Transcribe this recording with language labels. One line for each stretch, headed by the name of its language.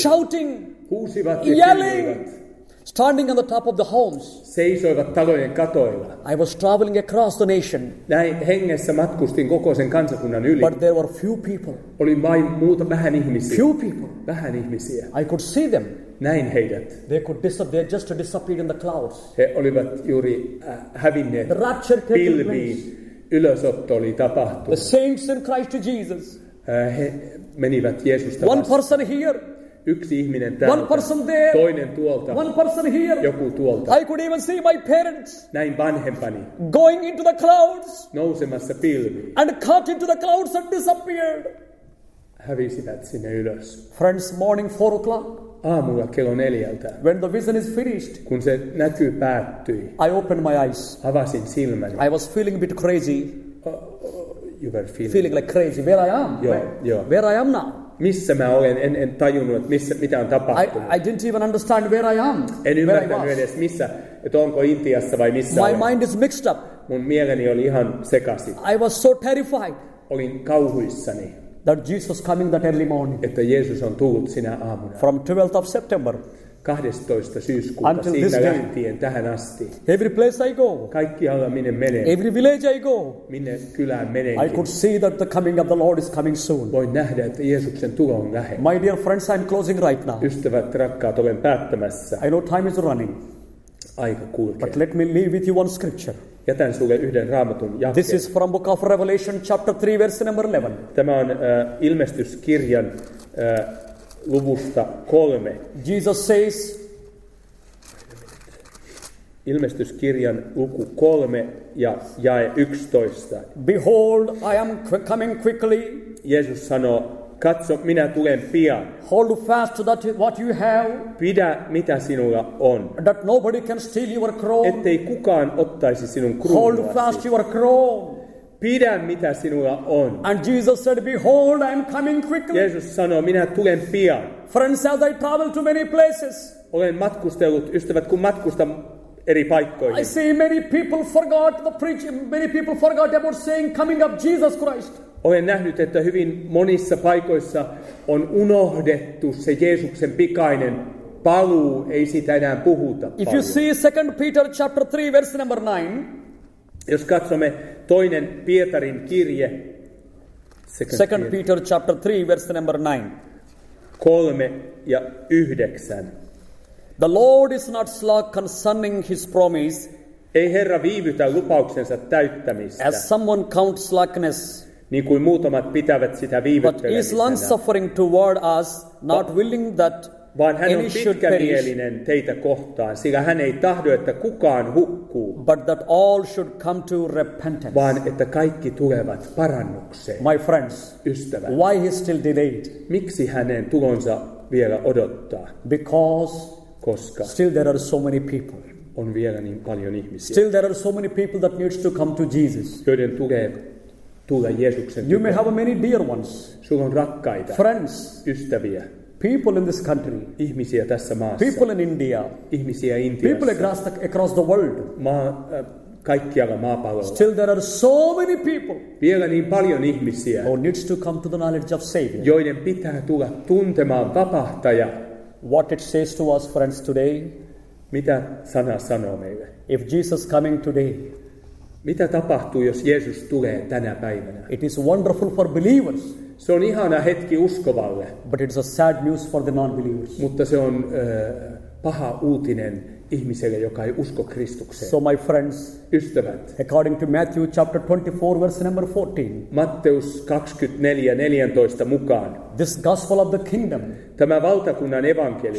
English: Shouting.
Finnish: Huusivat ja
English: yelling. Standing on the top of the homes.
Finnish: Seisoivat talojen katoilla.
English: I was traveling across the nation.
Finnish: Näin hengessä matkustin koko sen kansakunnan yli.
English: But there were few people.
Finnish: Oli vain muuta vähän ihmisiä.
English: Few people.
Finnish: Vähän ihmisiä.
English: I could see them.
Finnish: Näin heidät.
English: They could they had just disappeared in the clouds.
Finnish: He olivat juuri hävinneet.
English: The rapture taking place.
Finnish: Ylösotto oli tapahtunut.
English: The saints in Christ to Jesus.
Finnish: He menivät Jeesusta vastaan.
English: One person here.
Finnish: Yksi ihminen täältä,
English: one person there,
Finnish: toinen tuolta,
English: one person here,
Finnish: joku tuolta.
English: I could even see my parents,
Finnish: näin vanhempani,
English: going into the clouds,
Finnish: nousemassa pilviin,
English: and caught into the clouds and disappeared.
Finnish: Hävisivät sinne ylös.
English: Friends, morning 4 o'clock,
Finnish: aamulla kello 4:00,
English: when the vision is finished,
Finnish: kun se näky päättyi,
English: I opened my eyes,
Finnish: avasin silmäni.
English: I was feeling a bit crazy, you were feeling like crazy, where I am, where I am now.
Finnish: Missä mä olen? En tajunnut, että missä, mitä on tapahtunut.
English: I didn't even understand where I am.
Finnish: En ymmärtänyt edes missä, että onko Intiassa vai missä.
English: My Mind is mixed up.
Finnish: Mun mieleni oli ihan sekaisin.
English: I was so terrified.
Finnish: Olin kauhuissani.
English: That Jesus coming that early morning.
Finnish: Että Jeesus on tullut sinä aamuna.
English: From 12th of September.
Finnish: 12. syyskuuta
English: until
Finnish: siitä
English: day,
Finnish: lähtien tähän asti.
English: Every place I go.
Finnish: Kaikkialla minne menen.
English: Every village I go.
Finnish: Minne kylään menenkin.
English: I could see that the coming of the Lord is coming soon.
Finnish: Voin nähdä, että Jeesuksen tulo on lähellä.
English: My dear friends, I'm closing right now.
Finnish: Ystävät, rakkaat, olen päättämässä.
English: I know time is running.
Finnish: Aika kulkee.
English: But let me leave with you one scripture.
Finnish: Jätän sulle yhden raamatun jakeen.
English: This is from book of Revelation chapter 3 verse number 11.
Finnish: Tämä on ilmestyskirjan luvusta 3.
English: Jesus says,
Finnish: ilmestyskirjan luku 3 ja jae 11.
English: Behold, I am coming quickly.
Finnish: Jeesus sanoo, katso, minä tulen pian.
English: Hold fast to that what you have.
Finnish: Pidä, mitä sinulla on.
English: That nobody can steal your crown.
Finnish: Ettei kukaan ottaisi sinun kruunua.
English: Hold fast your crown.
Finnish: Pidä, mitä sinulla on.
English: And Jesus said, behold, I am coming quickly.
Finnish: Jeesus sanoo, minä tulen pian.
English: Friends, as I travel to many places.
Finnish: Olen matkustellut, ystävät, kun matkustan eri paikkoihin.
English: I see many people forgot the preaching. Many people forgot about saying coming of Jesus Christ.
Finnish: Olen nähnyt, että hyvin monissa paikoissa on unohdettu se Jeesuksen pikainen paluu. Ei sitä enää puhuta paljon.
English: If you see 2 Peter chapter 3 verse number 9.
Finnish: Jos katsomme toinen Pietarin kirje.
English: Second Peter chapter 3 verse number 9. 3:9. The Lord is not slack concerning his promise.
Finnish: Ei Herra viivytä lupauksensa täyttämistä.
English: As someone counts slackness.
Finnish: Niin kuin muutamat pitävät sitä viivyttelemisenä.
English: But is long suffering toward us, not willing that
Finnish: vaan hän on pitkämielinen teitä kohtaan, sillä hän ei tahdo, että kukaan hukkuu.
English: But that all should come to repentance.
Finnish: Vaan että kaikki tulevat parannukseen.
English: My friends,
Finnish: ystävät,
English: why he still delayed?
Finnish: Miksi hänen tulonsa vielä odottaa?
English: Because
Finnish: koska
English: still there are so many people.
Finnish: On vielä niin paljon ihmisiä.
English: Still there are so many people that needs to come to Jesus.
Finnish: Joiden tulee tulla Jeesuksen tykkään.
English: You may have many dear ones.
Finnish: Sulla on rakkaita.
English: Friends,
Finnish: ystäviä.
English: People in this country,
Finnish: ihmisiä tässä maassa,
English: people in India,
Finnish: ihmisiä Intiassa,
English: people across the world,
Finnish: kaikkialla maapallolla.
English: Still there are so many people,
Finnish: vielä niin paljon ihmisiä,
English: who needs to come to the knowledge of Savior,
Finnish: joiden pitää tulla tuntemaan vapahtaja.
English: What it says to us, friends, today,
Finnish: mitä sana sanoo meille?
English: If Jesus coming today,
Finnish: mitä tapahtuu, jos Jeesus tulee tänä päivänä?
English: It is wonderful for believers.
Finnish: Se on ihana hetki uskovalle.
English: But it's a sad news for the non-believers.
Finnish: Mutta se on paha uutinen ihmiselle, joka ei usko Kristukseen.
English: So my friends,
Finnish: ystävät,
English: according to Matthew chapter 24 verse number 14.
Finnish: Matteus 24:14 mukaan.
English: This gospel of the kingdom.
Finnish: Tämä valtakunnan evankeliumi.